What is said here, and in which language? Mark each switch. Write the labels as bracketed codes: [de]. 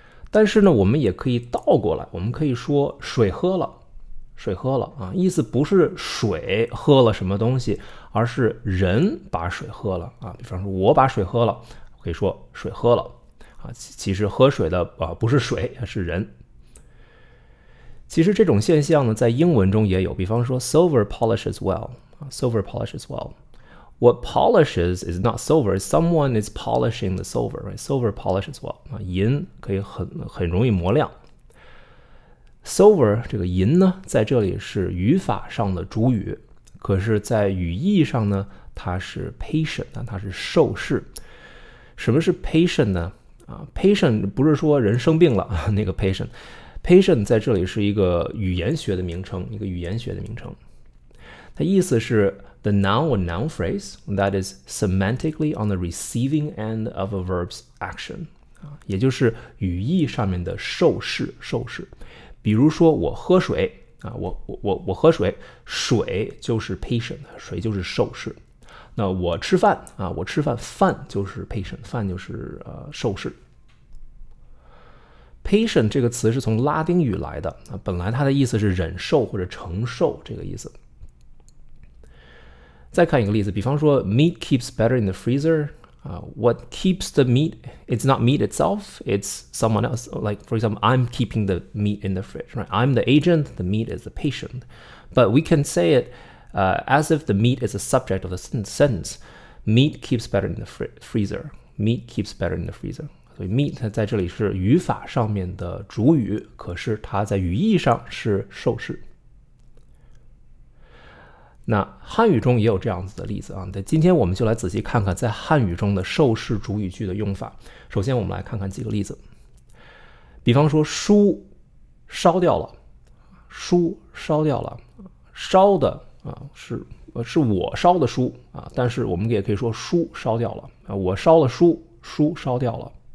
[zh] 但是呢，我们也可以倒过来，我们可以说水喝了，水喝了啊，意思不是水喝了什么东西，而是人把水喝了啊。比方说我把水喝了，可以说水喝了啊。其实喝水的啊不是水，是人。其实这种现象呢，在英文中也有，比方说 [en] silver polishes well， silver polishes well。 What polishes is not silver. Someone is polishing the silver. Right? Silver polishes well. [zh] 银可以很容易磨亮。 Silver 这个银呢，在这里是语法上的主语，可是，在语义上呢，它是 patient， 它是受试。什么是 patient 呢？啊 ，patient 不是说人生病了那个 patient。 patient 在这里是一个语言学的名称，一个语言学的名称。它意思是。 [en] The noun or noun phrase that is semantically on the receiving end of a verb's action. [zh] 也就是语义上面的受试，受试。比如说我喝水，我喝水，水就是 patient， 水就是受试。那我吃饭，我吃饭，饭就是 patient， 饭就是受试。 patient 这个词是从拉丁语来的，本来它的意思是忍受或者承受这个意思。再看一个例子，比方说 [en] meat keeps better in the freezer. What keeps the meat? It's not meat itself. It's someone else. Like for example, I'm keeping the meat in the fridge, right? I'm the agent. The meat is the patient. But we can say it as if the meat is a subject of the sentence. Meat keeps better in the freezer. Meat keeps better in the freezer. [zh] 所以 meat 在这里是语法上面的主语，可是它在语义上是受试。那汉语中也有这样子的例子啊，今天我们就来仔细看看在汉语中的受试主语句的用法。首先我们来看看几个例子，比方说书烧掉了，书烧掉了，烧的是我烧的书啊，但是我们也可以说书烧掉了，我烧了书，书烧掉了。